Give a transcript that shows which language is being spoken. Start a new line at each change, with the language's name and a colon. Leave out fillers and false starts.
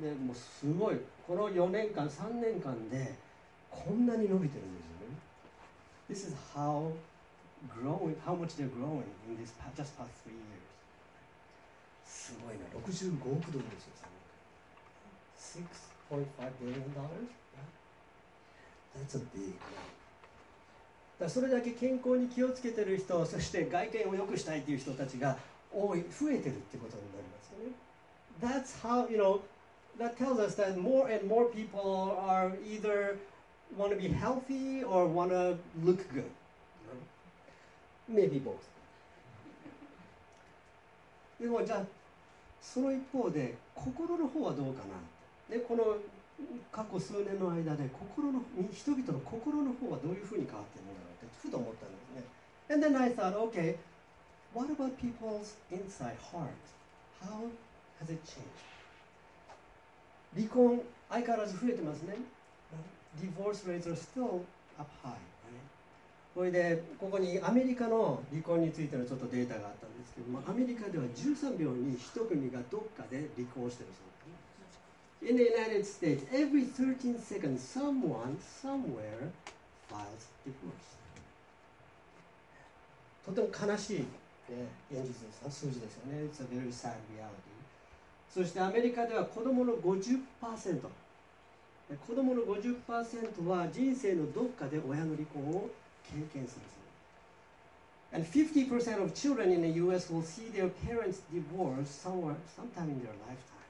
Japanese: でもうすごい、この4年間、3年間でこんなに伸びてるんですよね。
English: This is how much they're growing in this just past 3 years.
Japanese: すごいな、65億ドルですよ、3年間。
English: $6.5 billion? That's a big one.
Japanese: だ、それだけ健康に気をつけてる人、そして外見を良くしたいっていう人たちが多い、増えてるってことになりますよね。
English: That's how, you know, that tells us that more and more people are either want to be healthy or want to look good. Maybe both.
Japanese: でもじゃあ、その一方で心の方はどうかな。で、この過去数年の間で心の人々の心の方はどういうふうに変わっているのかってふと思ったんですね。
English: And then I thought, okay, what about people's inside heart? How has it changed?
Japanese: 離婚相変わらず増えてますね。
English: Divorce rates are still up high.
Japanese: それでここにアメリカの離婚についてのちょっとデータがあったんですけども、アメリカでは13秒に1組がどっかで離婚してるそうです。
English: In the United States, every 13 seconds, someone, somewhere, files divorce.
Japanese: とても悲しい、現実です。数字ですよね。
English: It's a very sad reality.
Japanese: そしてアメリカでは子供の 50%、 子供の 50% は人生のどこかで親の離婚を経験するんです。
English: And 50% of children in the U.S. will see their parents divorce somewhere, sometime in their lifetime.